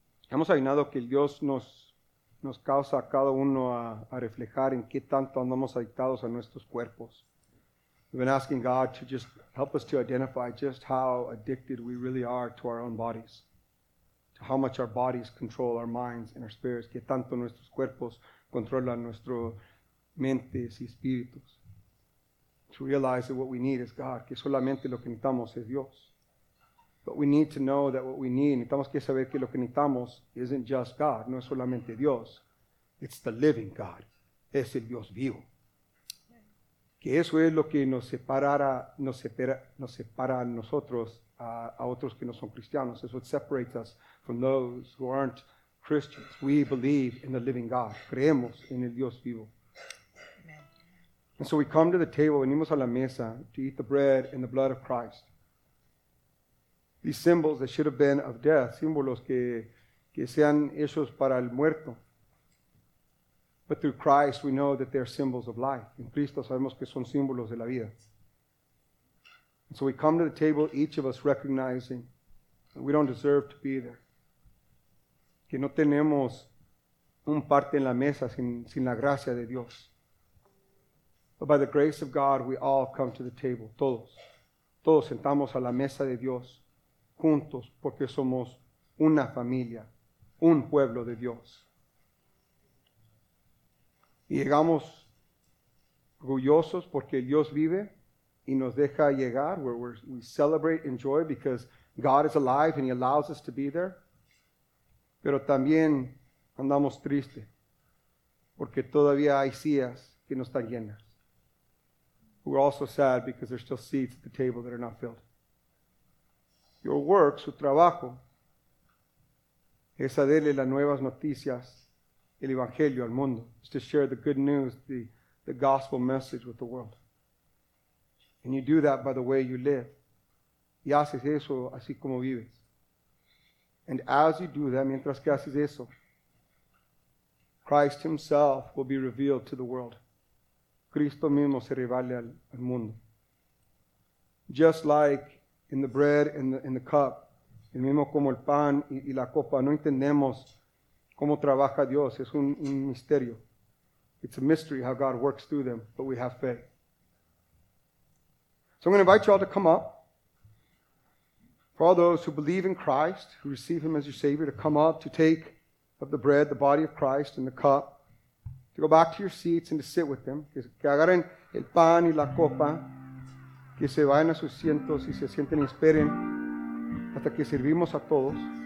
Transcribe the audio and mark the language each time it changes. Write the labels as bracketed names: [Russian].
[Spanish] Hemos ayunado que Dios nos causa a cada uno a reflejar en qué tanto andamos adictados a nuestros cuerpos. [English] We've been asking God to just help us to identify just how addicted we really are to our own bodies, to how much our bodies control our minds and our spirits, [Spanish] qué tanto nuestros cuerpos controlan nuestro mentes y espíritus. [English] To realize that what we need is God, [Spanish] que solamente lo que necesitamos es Dios. [English] But we need to know that what we need, [Spanish] necesitamos que saber que lo que necesitamos [English] isn't just God, [Spanish] no es solamente Dios. [English] It's the living God. [Spanish] Es el Dios vivo. Que eso es lo que nos separa a nosotros a otros que no son cristianos. [English] It's what separates us from those who aren't Christians. We believe in the living God. [Spanish] Creemos en el Dios vivo. [English] And so we come to the table, [Spanish] venimos a la mesa, [English] to eat the bread and the blood of Christ. These symbols that should have been of death, [Spanish] símbolos que sean hechos para el muerto. [English] But through Christ, we know that they are symbols of life. [Spanish] En Cristo sabemos que son símbolos de la vida. [English] And so we come to the table, each of us recognizing that we don't deserve to be there. [Spanish] Que no tenemos un parte en la mesa sin la gracia de Dios. [English] But by the grace of God, we all come to the table, [Spanish] todos. Todos sentamos a la mesa de Dios, juntos, porque somos una familia, un pueblo de Dios. Y llegamos orgullosos porque Dios vive y nos deja llegar, [English] where we celebrate in joy because God is alive and he allows us to be there. [Spanish] Pero también andamos tristes porque todavía hay sillas que no están llenas. [English] who were also sad because there's still seats at the table that are not filled. Your work, [Spanish] su trabajo, es a darle las nuevas noticias, el evangelio al mundo. [English] It's to share the good news, the gospel message with the world. And you do that by the way you live. [Spanish] Y haces eso así como vives. [English] And as you do that, [Spanish] mientras que haces eso, [English] Christ himself will be revealed to the world. [Spanish] Cristo mismo se revela al mundo. [English] Just like in the bread and the cup, [Spanish] el mismo como el pan y la copa, no entendemos cómo trabaja Dios. Es un misterio. [English] It's a mystery how God works through them, but we have faith. So I'm going to invite you all to come up. For all those who believe in Christ, who receive him as your Savior, to come up to take of the bread, the body of Christ, and the cup, to go back to your seats and to sit with them. [Spanish] Que agarren el pan y la copa, que se vayan a sus asientos y se sienten y esperen hasta que servimos a todos.